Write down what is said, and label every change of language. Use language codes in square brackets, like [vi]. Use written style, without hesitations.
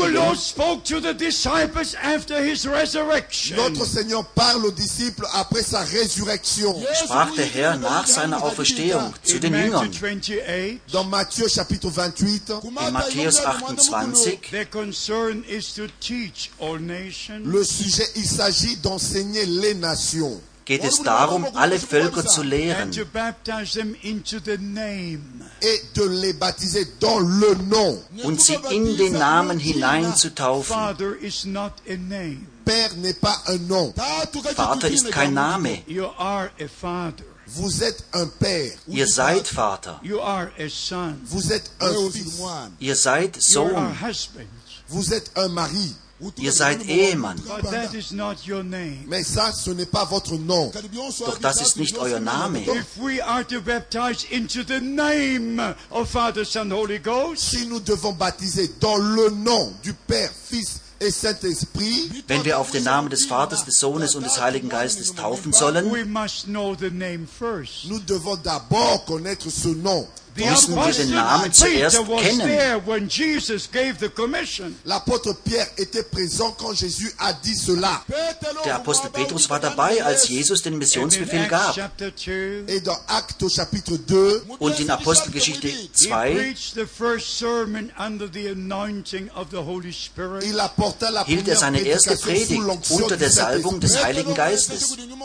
[en] our Lord spoke to the disciples after his resurrection. [fr] Notre Seigneur parle aux disciples après sa résurrection. [de] Sprach der Herr nach seiner Auferstehung zu den Jüngern. [fr] Dans Matthieu chapitre 28. [de] In Matthäus 28. [en] The concern is to teach all nations. [fr] Le sujet, il s'agit d'enseigner les nations. [de] Geht es darum, alle Völker zu lehren und sie in den Namen hineinzutaufen. [fr] Père n'est pas un nom. [de] Vater ist kein Name. [en] You are a father. [fr] Vous êtes un père. [de] Ihr seid Vater. [en] You are a son. [fr] Vous êtes un fils. [de] Ihr seid Sohn. [en] You are husband. [fr] Vous êtes un mari. [de] Ihr seid Ehemann. [en] But that is not your name. [fr] Mais ça, ce n'est pas votre nom. [de] Doch das ist nicht euer Name. [en] If we are to baptize into the name of Father, Son, Holy Ghost, [fr] si nous devons baptiser dans le nom du Père, Fils et Saint-Esprit, [de] wenn wir auf den Namen des Vaters, des Sohnes und des Heiligen Geistes taufen sollen, [en] we must know the name first. [fr] Nous devons d'abord connaître ce nom. [de] Müssen wir den Namen zuerst kennen. [fr] L'apôtre Pierre était présent quand Jésus a dit cela. [de] Der Apostel Petrus war dabei, als Jesus den Missionsbefehl gab. [fr] Et dans Actes chapitre 2 [de] und in Apostelgeschichte 2 [en] he preached the first sermon under the anointing of the Holy Spirit. [fr] Il a porté [de] hielt er seine erste Predigt unter der Salbung des Heiligen Geistes.